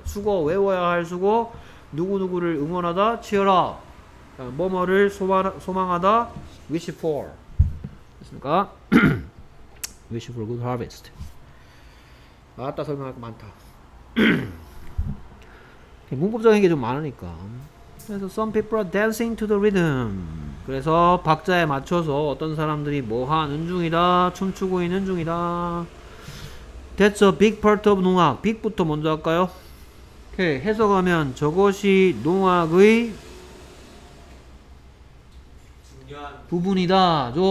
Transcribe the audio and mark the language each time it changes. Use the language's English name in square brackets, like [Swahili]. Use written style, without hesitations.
[Korean] 수고, 외워야 할 수고. 누구누구를 응원하다, [English] cheer up. [Korean] 뭐뭐를 소망하다, [English] wish for. [Korean] 됐습니까? [English] wish for good harvest. [Korean] 맞다, 설명할 거 많다. 문법적인 게 좀 많으니까. 그래서 [English] some people are dancing to the rhythm. [Korean] 그래서 박자에 맞춰서 어떤 사람들이 뭐 하는 중이다, 춤추고 있는 중이다. [English] That's a big part of 농악. [Korean] big부터 먼저 할까요? 해석하면 저것이 농악의 부분이다.